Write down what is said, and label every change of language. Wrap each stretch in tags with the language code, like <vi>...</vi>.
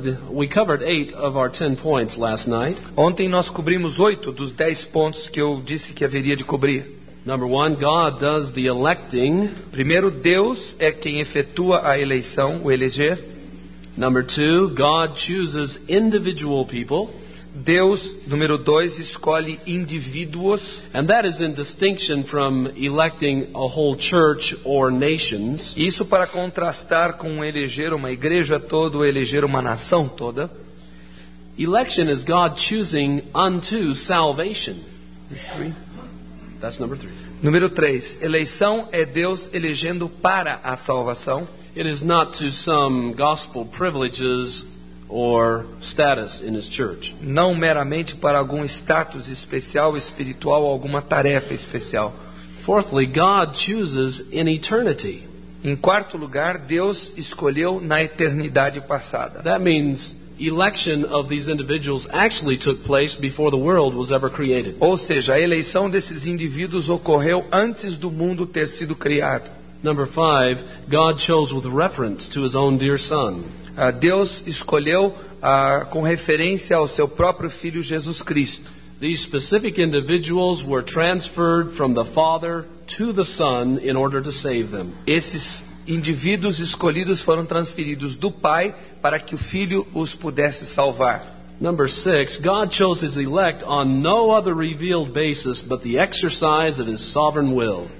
<en>We covered 8 of our 10 points last night.</en> <pt>Ontem nós cobrimos 8 dos 10 pontos que eu disse que haveria de cobrir.</pt> <en>Number 1, God does the electing.</en> <pt>Primeiro, Deus é quem efetua a eleição, o eleger.</pt> <en>Number 2, God chooses individual people.</en> <pt>Deus, número 2, escolhe indivíduos.</pt> <en>And that is in distinction from electing a whole church or nations.</en> <pt>Isso para contrastar com eleger uma igreja toda ou eleger uma nação toda.</pt> <en>Election is God choosing unto salvation. That's number 3.</en> <pt>Número 3, eleição é Deus elegendo para a salvação.</pt> <en>It is not to some gospel privileges or status in his church.</en> <pt>Não meramente para algum status especial, espiritual, ou alguma tarefa especial.</pt> <en>Fourthly, God chooses in eternity.</en> <pt>Em quarto lugar, Deus escolheu na eternidade passada.</pt> <en>That means election of these individuals actually took place before the world was ever created.</en> <pt>Ou seja, a eleição desses indivíduos ocorreu antes do mundo ter sido criado.</pt> <en>Number 5, God chose with reference to his own dear son.</en> <pt>Deus escolheu com referência ao seu próprio filho Jesus Cristo.</pt> <en>These specific individuals were transferred from the Father to the Son in order to save them.</en> <pt>Esses indivíduos escolhidos foram transferidos do Pai para que o Filho os pudesse salvar.</pt> <en>Number 6, God chose his elect on no other revealed basis but the exercise of his sovereign will.</en>